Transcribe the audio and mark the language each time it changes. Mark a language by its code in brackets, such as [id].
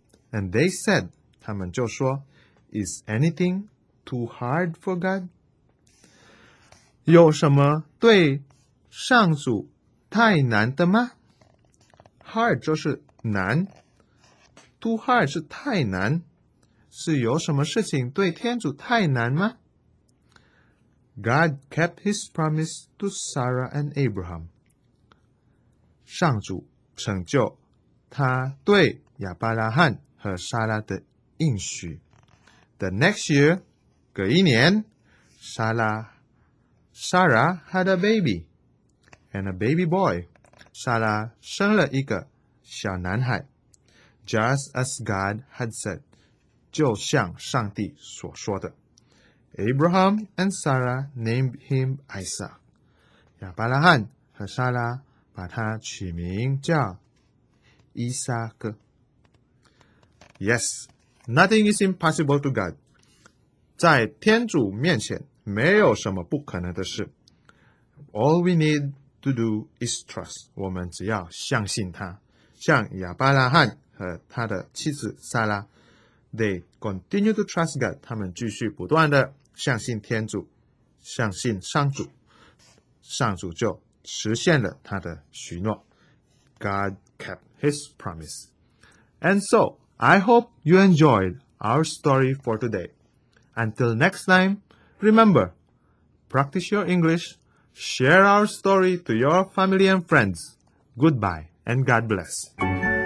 [en] And they said， [zh] 他们就说， [en] Is anything too hard for God？ [zh] 有什么对上主太难的吗？ Hard 就是难， too hard 是太难，是有什么事情对天主太难吗？ [en] God kept his promise to Sarah and Abraham. [zh] 上主成就他对亚伯拉罕和撒拉的应许。 [en] The next year, [zh] 隔一年， [en] Sarah had a baby and a baby boy. [zh] 撒拉生了一个小男孩。 [en] Just as God had said, [zh] 就像上帝所说的。 [en] Abraham and Sarah named him Isaac. [zh] 亚伯拉罕和撒拉把他取名叫以撒克。 [en] Yes, nothing is impossible to God. [zh] 在天主面前没有什么不可能的事。 [en] All we need to do is trust. [zh] 我们只要相信他。像亚伯拉罕和他的妻子撒拉， [en] They continue to trust God. [zh] 他们继续不断的相信天主，相信上主，上主就实现了他的许诺。 [en] God kept his promise. And so, I hope you enjoyed our story for today. Until next time, remember, practice your English, share our story to your family and friends. Goodbye, and God bless.